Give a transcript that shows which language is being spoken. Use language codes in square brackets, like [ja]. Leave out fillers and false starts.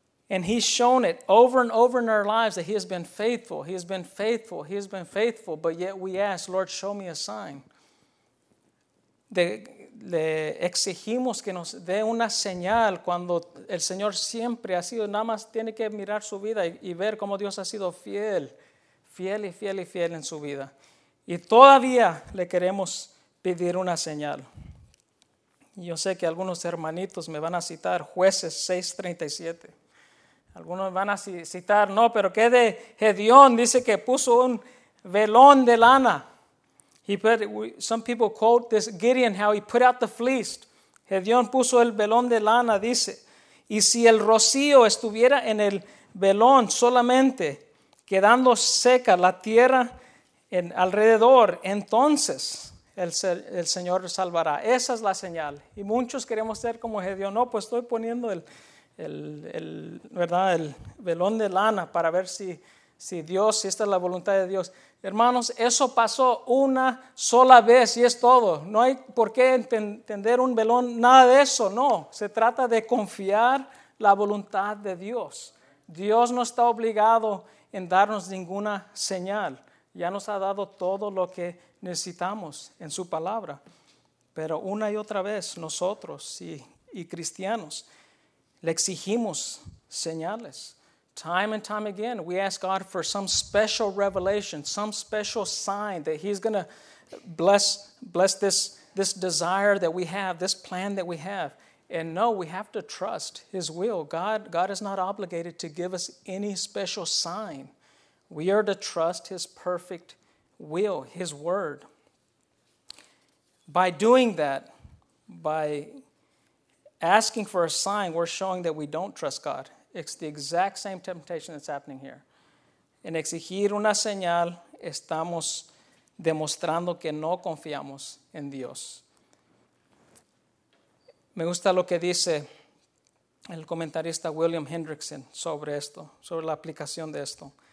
[en] And He's shown it over and over in our lives that He has been faithful. He has been faithful. He has been faithful. But yet we ask, Lord, show me a sign. [es] Le exigimos que nos dé una señal cuando el Señor siempre ha sido, nada más tiene que mirar su vida y ver cómo Dios ha sido fiel, fiel y fiel y fiel en su vida. Y todavía le queremos pedir una señal. Yo sé que algunos hermanitos me van a citar Jueces 6:37. Algunos van a citar, no, pero qué de Gedeón, dice que puso un velón de lana. [en] Some people quote this Gideon, how he put out the fleece. [es] Gedeón puso el velón de lana, dice. Y si el rocío estuviera en el velón solamente, quedando seca la tierra en alrededor, entonces el Señor salvará. Esa es la señal. Y muchos queremos ser como Gedeón. No, pues estoy poniendo el velón de lana para ver si esta es la voluntad de Dios. Hermanos, eso pasó una sola vez y es todo. No hay por qué entender un velón, nada de eso, no. Se trata de confiar la voluntad de Dios. Dios no está obligado en darnos ninguna señal. Ya nos ha dado todo lo que necesitamos en su palabra. Pero una y otra vez nosotros y cristianos le exigimos señales. [en] Time and time again, we ask God for some special revelation, some special sign that He's going to bless this desire that we have, this plan that we have. And no, we have to trust His will. God is not obligated to give us any special sign. We are to trust His perfect will, His word. By doing that, by asking for a sign, we're showing that we don't trust God. It's the exact same temptation that's happening here. [es] En exigir una señal, estamos demostrando que no confiamos en Dios. Me gusta lo que dice el comentarista William Hendrickson sobre esto, sobre la aplicación de esto.